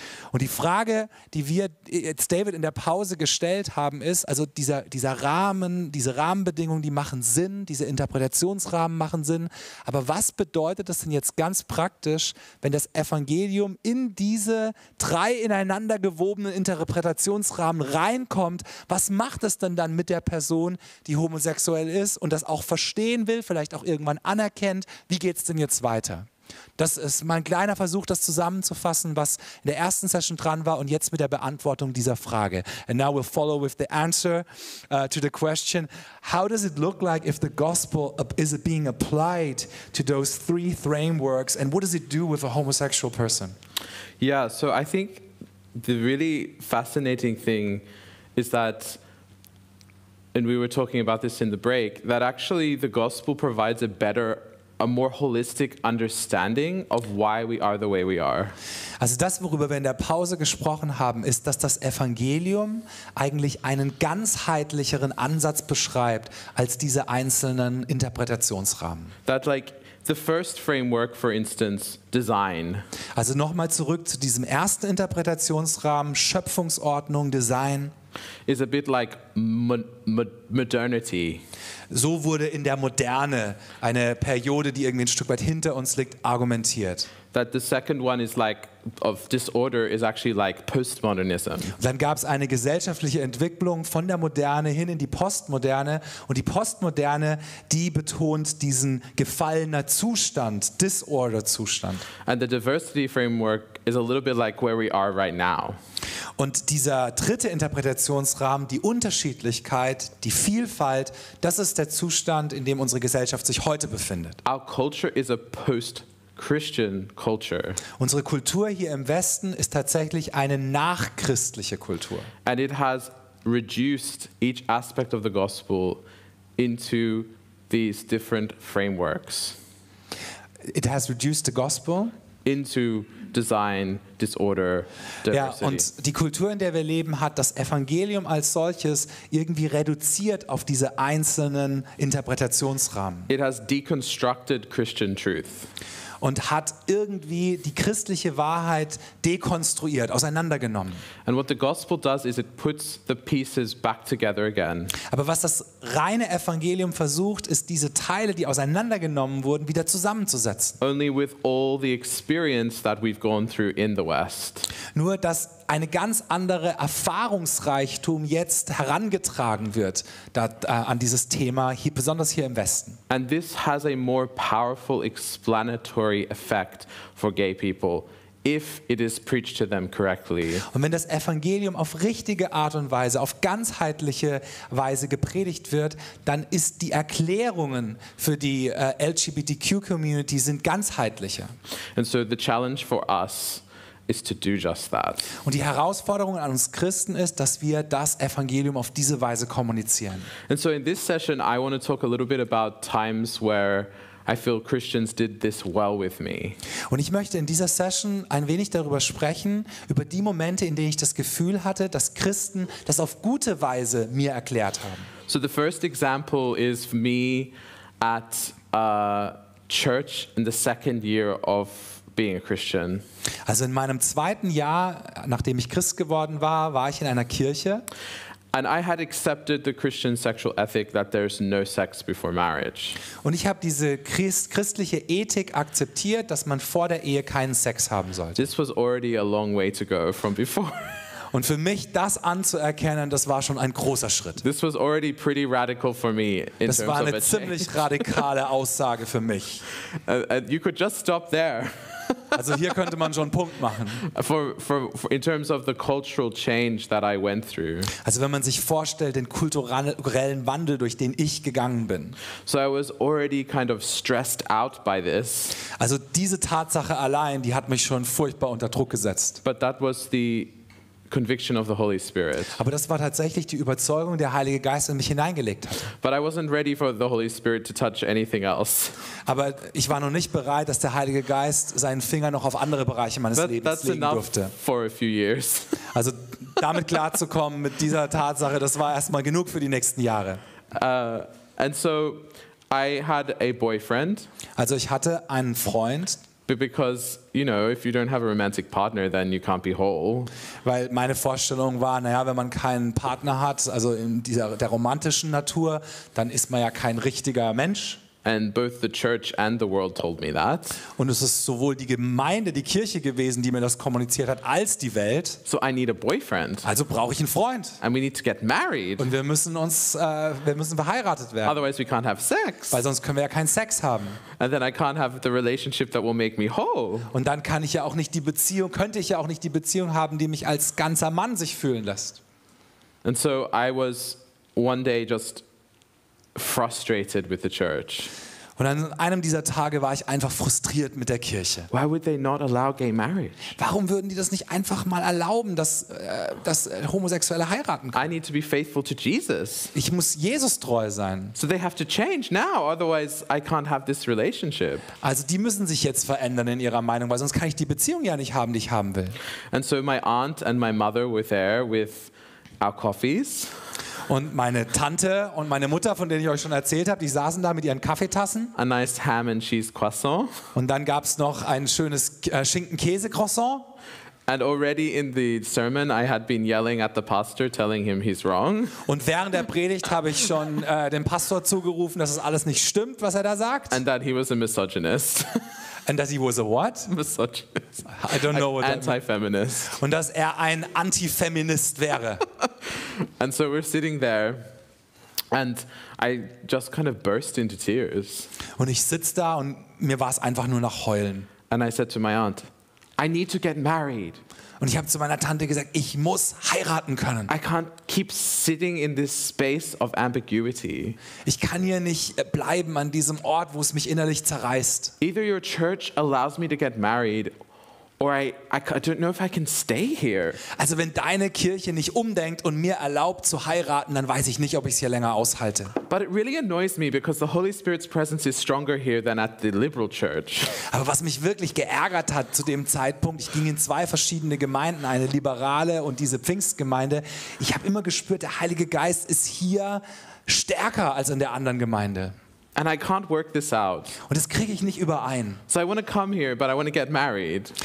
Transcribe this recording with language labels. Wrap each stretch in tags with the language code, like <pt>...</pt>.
<de>Und die Frage, die wir jetzt David in der Pause gestellt haben, ist, also dieser Rahmen, diese Rahmenbedingungen, die machen Sinn, diese Interpretationsrahmen machen Sinn, aber was bedeutet das denn jetzt ganz praktisch, wenn das Evangelium in diese drei ineinander gewobenen Interpretationsrahmen reinkommt, was macht es denn dann mit der Person, die homosexuell ist und das auch verstehen will, vielleicht auch irgendwann anerkennt, wie geht es denn jetzt weiter? Das ist mein kleiner Versuch, das zusammenzufassen, was in der ersten Session dran war und jetzt mit der Beantwortung dieser Frage.</de> <en>And now we'll follow with the answer to the question, how does it look like if the gospel is being applied to those three frameworks and what does it do with a homosexual person? Yeah, so I think the really fascinating thing is that, and we were talking about this in the break, that actually the gospel provides a more holistic understanding of why we are the way we are.</en> <de>Also das, worüber wir in der Pause gesprochen haben, ist, dass das Evangelium eigentlich einen ganzheitlicheren Ansatz beschreibt als diese einzelnen Interpretationsrahmen.</de> <en>That like the first framework, for instance, design.</en> <de>Also nochmal zurück zu diesem ersten Interpretationsrahmen, Schöpfungsordnung, Design.</de> <en>Is a bit like modernity.</en> <de>So wurde in der Moderne, eine Periode, die irgendwie ein Stück weit hinter uns liegt, argumentiert.</de> <en>That the second one is like of disorder is actually like postmodernism.</en> <de>Dann gab es eine gesellschaftliche Entwicklung von der Moderne hin in die Postmoderne und die Postmoderne, die betont diesen gefallener Zustand, Disorder-Zustand.</de> <en>And the diversity framework is a little bit like where we are right now.</en> <de>Und dieser dritte Interpretationsrahmen, die Unterschiedlichkeit, die Vielfalt, das ist der Zustand, in dem unsere Gesellschaft sich heute befindet.</de> <en>Our culture is a post-Christian culture.</en> <de>Unsere Kultur hier im Westen ist tatsächlich eine nachchristliche Kultur.</de> <en>And it has reduced each aspect of the gospel into these different frameworks. It has reduced the gospel into design, disorder, diversity.</en> <de>Ja, und die Kultur, in der wir leben, hat das Evangelium als solches irgendwie reduziert auf diese einzelnen Interpretationsrahmen.</de> <en>It has deconstructed Christian truth.</en> <de>Und hat irgendwie die christliche Wahrheit dekonstruiert, auseinandergenommen.</de> <en>And what the gospel does is it puts the pieces back together again.</en> <de>Aber was das reine Evangelium versucht, ist diese Teile, die auseinandergenommen wurden, wieder zusammenzusetzen.</de> <en>Only with all the experience that we've gone through in the West.</en> <de>Nur dass eine ganz andere Erfahrungsreichtum jetzt herangetragen wird an dieses Thema, hier, besonders hier im Westen.</de> <en>And this has a more powerful explanatory effect for gay people if it is preached to them correctly.</en> <de>Und wenn das Evangelium auf richtige Art und Weise, auf ganzheitliche Weise gepredigt wird, dann ist die Erklärungen für die LGBTQ Community sind ganzheitlicher.</de> <en>And so the challenge for us is to do just that.</en> <de>Und die Herausforderung an uns Christen ist, dass wir das Evangelium auf diese Weise kommunizieren.</de> <en>And so in this session I want to talk a little bit about times where I feel Christians did this well with me.</en> <de>Und ich möchte in dieser Session ein wenig darüber sprechen, über die Momente, in denen ich das Gefühl hatte, dass Christen das auf gute Weise mir erklärt haben.</de> <en>So the first example is for me at a church in the second year of being a Christian.</en> <de>Also in meinem zweiten Jahr, nachdem ich Christ geworden war, war ich in einer Kirche.</de> <en>And I had accepted the Christian sexual ethic that there is no sex before marriage.</en> <de>Und ich habe diese christliche Ethik akzeptiert, dass man vor der Ehe keinen Sex haben sollte.</de> <en>This was already a long way to go from before.</en> <de>Und für mich das anzuerkennen, das war schon ein großer Schritt.</de> <en>This was already pretty radical for me in terms of a change.</en> <de>Das war eine ziemlich radikale Aussage für mich.</de> <en>You could just stop there.</en> <de>Also hier könnte man schon einen Punkt machen.</de> <en>For in terms of the cultural change that I went through.</en> <de>Also wenn man sich vorstellt den kulturellen Wandel, durch den ich gegangen bin.</de> <en>So I was already kind of stressed out by this.</en> <de>Also diese Tatsache allein, die hat mich schon furchtbar unter Druck gesetzt.</de> <en>But that was the conviction of the Holy Spirit.</en> <de>Aber das war tatsächlich die Überzeugung, der Heilige Geist in mich hineingelegt hat.</de> <en>But I wasn't ready for the Holy Spirit to touch anything else.</en> <de>Aber ich war noch nicht bereit, dass der Heilige Geist seinen Finger noch auf andere Bereiche meines Lebens legen durfte.</de> <en>For a few years.</en> <de>Also damit klarzukommen mit dieser Tatsache, das war erstmal genug für die nächsten Jahre.</de> <en>And so I had a boyfriend.</en> <de>Also ich hatte einen Freund.</de> <en>Because you know, if you don't have a romantic partner, then you can't be whole.</en> <de>Weil meine Vorstellung war, naja, wenn man keinen Partner hat, also in dieser der romantischen Natur, dann ist man ja kein richtiger Mensch.</de> <en>And both the church and the world told me that.</en> <de>Und es ist sowohl die Gemeinde, die Kirche gewesen, die mir das kommuniziert hat, als die Welt.</de> <en>So I need a boyfriend.</en> <de>Also brauche ich einen Freund.</de> <en>And we need to get married.</en> <de>Und wir müssen uns, wir müssen verheiratet werden.</de> <en>Otherwise we can't have sex.</en> <de>Weil sonst können wir ja keinen Sex haben.</de> <en>And then I can't have the relationship that will make me whole.</en> <de>Und dann kann ich ja auch nicht die Beziehung, könnte ich ja auch nicht die Beziehung haben, die mich als ganzer Mann sich fühlen lässt.</de> <en>And so I was one day just frustrated with the church.</en> <de>Und an einem dieser Tage war ich einfach frustriert mit der Kirche.</de> <en>Why would they not allow gay marriage?</en> <de>Warum würden die das nicht einfach mal erlauben, dass Homosexuelle heiraten können?</de> <en>I need to be faithful to Jesus.</en> <de>Ich muss Jesus treu sein.</de> <en>So they have to change now, otherwise I can't have this relationship.</en> <de>Also die müssen sich jetzt verändern in ihrer Meinung, weil sonst kann ich die Beziehung ja nicht haben, die ich haben will.</de> <en>And so my aunt and my mother were there with our coffees.</en> <de>Und meine Tante und meine Mutter, von denen ich euch schon erzählt habe, die saßen da mit ihren Kaffeetassen.</de> <en>A nice ham and cheese croissant.</en> <de>Und dann gab es noch ein schönes Schinken-Käse-Croissant.</de> <en>And already in the sermon I had been yelling at the pastor, telling him he's wrong.</en> <de>Und während der Predigt habe ich schon dem Pastor zugerufen, dass es alles nicht stimmt, was er da sagt.</de> <en>And that he was a misogynist. And that he was a what? Misogynist. I don't know what that means. Anti-feminist.</en> <de>Und dass er ein Anti-Feminist wäre.</de> <en>And so we're sitting there and I just kind of burst into tears.</en> <de>Und ich sitz da und mir war es einfach nur nach heulen.</de> <en>And I said to my aunt, I need to get married.</en> <de>Und ich habe zu meiner Tante gesagt, ich muss heiraten können.</de> <en>I can't keep sitting in this space of ambiguity.</en> <de>Ich kann hier nicht bleiben an diesem Ort, wo es mich innerlich zerreißt.</de> <en>Either your church allows me to get married or I don't know if I can stay here.</en> <de>Also wenn deine Kirche nicht umdenkt und mir erlaubt zu heiraten, dann weiß ich nicht, ob ich es hier länger aushalte.</de> <en>But it really annoys me because the Holy Spirit's presence is stronger here than at the liberal church.</en> <de>Aber was mich wirklich geärgert hat zu dem Zeitpunkt, ich ging in zwei verschiedene Gemeinden, eine liberale und diese Pfingstgemeinde, ich habe immer gespürt, der Heilige Geist ist hier stärker als in der anderen Gemeinde.</de> <en>And I can't work this out.</en> <de>Und das kriege ich nicht überein.</de> <en>So I want to come here, but I want to get married.</en>